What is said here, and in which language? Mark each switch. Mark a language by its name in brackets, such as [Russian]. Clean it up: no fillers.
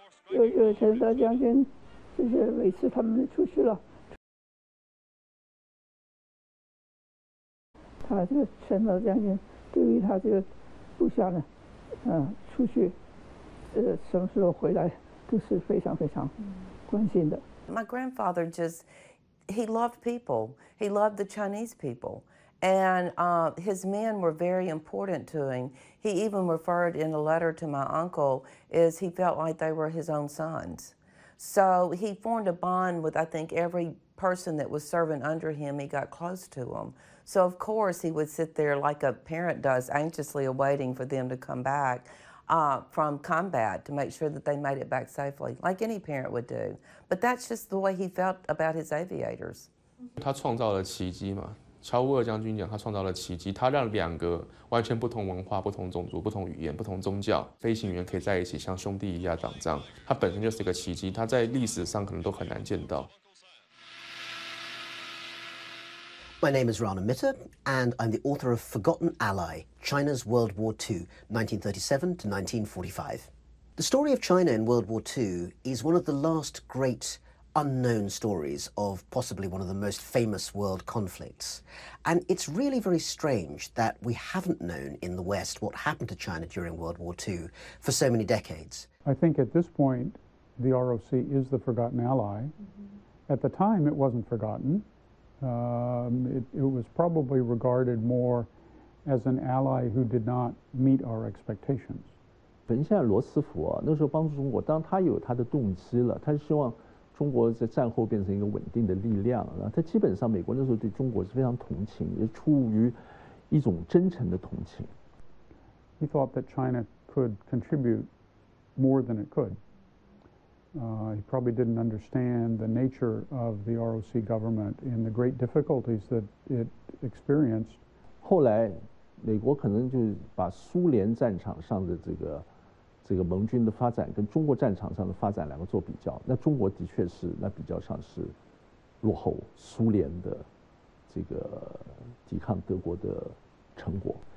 [Chinese] 有陈纳德将军就是每次他们出去了，他这个陈老将军对于他这个部下呢，出去什么时候回来都是非常非常关心的。 [English] My grandfather just, he loved people. He loved the Chinese people. And his men were very important to him. He even referred in a letter to my uncle as he felt like they were his own sons. So he formed a bond with, I think, every person that was serving under him. He got close to him. So of course he would sit there like a parent does, anxiously awaiting for them to come back from combat to make sure that they made it back safely, like any parent would do. But that's just the way he felt about his aviators. [Chinese] 他创造了奇迹嘛，乔乌尔将军讲他创造了奇迹，他让两个完全不同文化、不同种族、不同语言、不同宗教飞行员可以在一起像兄弟一样打仗，他本身就是一个奇迹，他在历史上可能都很难见到。 [English] My name is Rana Mitter, and I'm the author of Forgotten Ally, China's World War II, 1937 to 1945. The story of China in World War II is one of the last great unknown stories of possibly one of the most famous world conflicts. And it's really very strange that we haven't known in the West what happened to China during World War II for so many decades. I think at this point, the ROC is the Forgotten Ally. Mm-hmm. At the time, it wasn't forgotten. It was probably regarded more as an ally who did not meet our expectations. [Chinese] 本现在罗斯福啊，那时候帮助中国，当他有他的动机了，他希望中国在战后变成一个稳定的力量。然后他基本上美国那时候对中国是非常同情，也出于一种真诚的同情。 [English] He thought that China could contribute more than it could. He probably didn't understand the nature of the ROC government and the great difficulties that it experienced. [Chinese] 后来，美国可能就把苏联战场上的这个盟军的发展跟中国战场上的发展两个做比较。那中国的确是那比较上是落后苏联的这个抵抗德国的成果。